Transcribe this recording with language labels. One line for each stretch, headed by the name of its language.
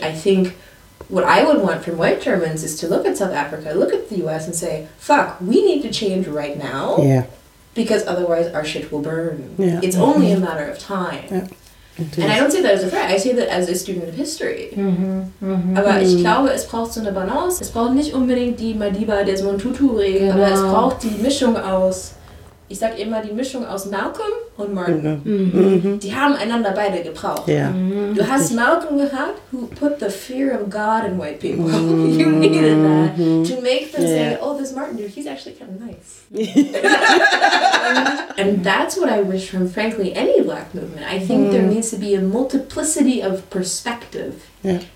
English: I think what I would want from white Germans is to look at South Africa, look at the US and say, fuck, we need to change right now. Yeah. Because otherwise our shit will burn. Yeah. It's only a matter of time. Yeah. And I don't say that as a threat. I say that as a student of history. Mm-hmm.
German: Aber ich glaube, es braucht so eine Balance. Es braucht nicht unbedingt die Madiba des Montutu-Regel, aber es braucht die Mischung aus, ich sag immer, die Mischung aus Malcolm und Martin. Mm-hmm. Mm-hmm. Die haben einander beide gebraucht. Yeah. Du hast Malcolm gehabt,
English: who put the fear of God in white people. Mm-hmm. You needed that to make them say, oh, this Martin dude, he's actually kind of nice. And that's what I wish from, frankly, any black movement. I think there needs to be a multiplicity of perspective. Yeah.